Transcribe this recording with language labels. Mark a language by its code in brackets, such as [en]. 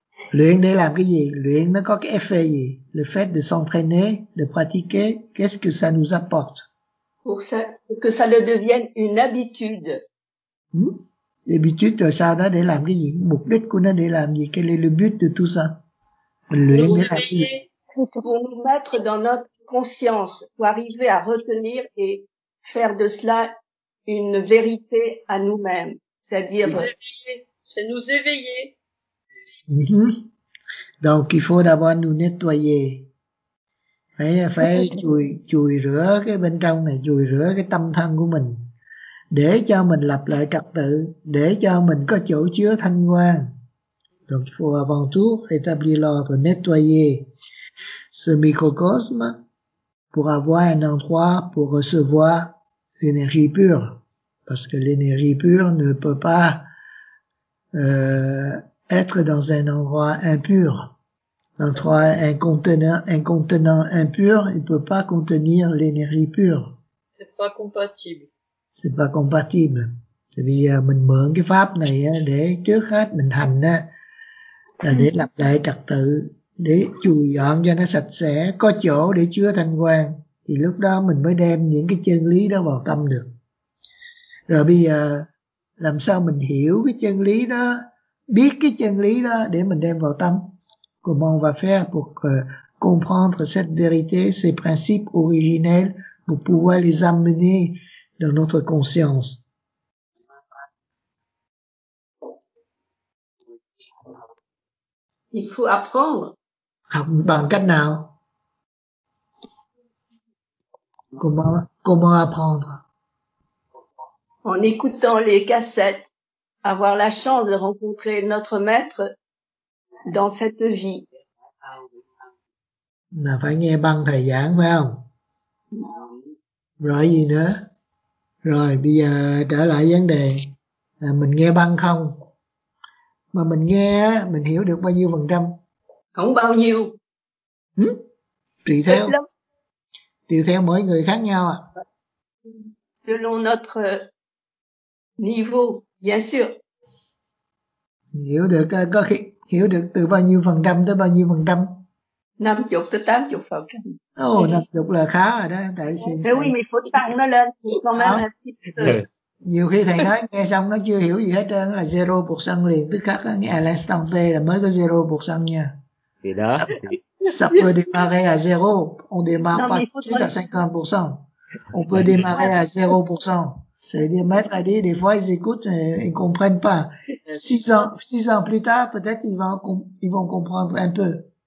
[vi] Luyện để làm cái gì? Luyện nó có cái effet gì? [fr] Le fait de s'entraîner, de pratiquer, qu'est-ce que ça nous apporte? Pour ça, que ça le devienne une habitude. L'habitude, ça là [vi] để làm cái gì? Mục đích của nó để làm gì? [fr] Quel est le but de tout ça? [vi] Luyện [fr] pour [vi] để làm cái gì? [fr] Pour nous mettre dans notre conscience, pour arriver à retenir et faire de cela une vérité à nous-mêmes. C'est-à-dire... C'est nous éveiller. Donc il faut d'abord nous nettoyer, [vi] phải chùi rửa cái bên trong này, chùi rửa cái tâm thân của mình, để cho mình lập lại trật tự, để cho mình có chỗ chứa thanh quang. [fr] Donc il faut avant tout établir l'ordre, nettoyer ce microcosme pour avoir un endroit pour recevoir l'énergie pure, parce que l'énergie pure ne peut pas être dans un endroit impur, un contenant impur, il peut pas contenir l'énergie pure. C'est pas compatible. [vi] Tại vì mình mượn cái pháp này để trước hết mình hành là để lập lại trật tự, để chùi dọn cho nó sạch sẽ, có chỗ để chứa thanh quang, thì lúc đó mình mới đem những cái chân lý đó vào tâm được. Rồi bây giờ làm sao mình hiểu cái chân lý đó? Biết cái chân lý đó để mình đem vào tâm. [fr] Comment on va faire pour comprendre cette vérité, ces principes originels, pour pouvoir les amener dans notre conscience? Il faut apprendre. [vi] Học bằng cách nào? [fr] Comment apprendre? En écoutant les cassettes. Avoir la chance de rencontrer notre maître dans cette vie. [vi] Là phải nghe băng thầy giảng phải không? Rồi gì nữa? Rồi bây giờ trở lại vấn đề là mình nghe băng không? Mà mình nghe mình hiểu được bao nhiêu phần trăm? Không bao nhiêu. Tùy theo. Tùy theo mỗi người khác nhau à? [fr] Selon notre niveau. Bien sûr. [vi] Hiểu được có khi hiểu được từ bao nhiêu phần trăm tới bao nhiêu phần trăm? [en] 50 to 80%. [vi] Ồ, 50 là khá rồi đó. Tại sao? Thế vì mình phải tăng nó lên. Nhiều khi thầy nói nghe xong nó chưa hiểu gì hết trơn là 0% liền tức khắc á, nghe Alan Stone T là mới có 0% nha. Thì đó. [fr] Ça peut démarrer à 0, on démarre pas tout à 50%. On peut démarrer à 0%. C'est des maîtres à dire, des fois ils écoutent et ils comprennent pas. Six ans plus tard, peut-être ils vont comprendre un peu.